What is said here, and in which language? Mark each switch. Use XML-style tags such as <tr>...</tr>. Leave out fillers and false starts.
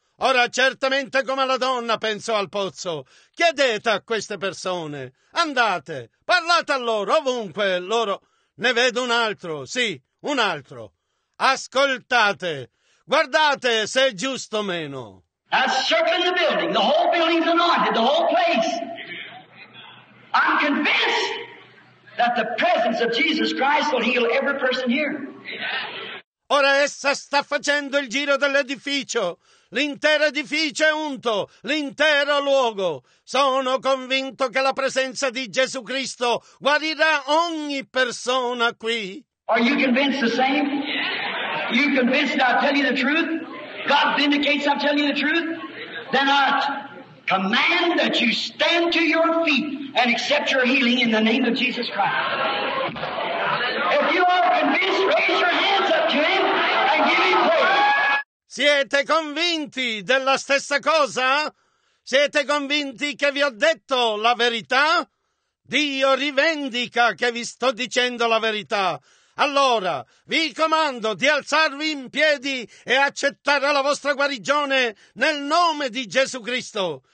<it>Ora, certamente come la donna, pensò al pozzo, chiedete a queste persone, andate, parlate a loro, ovunque loro. Ne vedo un altro, sì, un altro. Ascoltate, guardate se è giusto o meno.</it> <en>I'm circling the building, the whole building's anointed, the whole place. I'm convinced that the presence of Jesus Christ will heal every person here.</en> <it>Ora essa sta facendo il giro dell'edificio. L'intero edificio è unto, l'intero luogo. Sono convinto che la presenza di Gesù Cristo guarirà ogni persona qui.</it> <en>Are you convinced the same? You convinced I tell you the truth? God vindicates I tell you the truth? Then I command that you stand to your feet and accept your healing in the name of Jesus Christ. If you are convinced, raise your hands up to him and give him praise.</en> <it>Siete convinti della stessa cosa? Siete convinti che vi ho detto la verità? Dio rivendica che vi sto dicendo la verità. Allora, vi comando di alzarvi in piedi e accettare la vostra guarigione nel nome di Gesù Cristo.</it>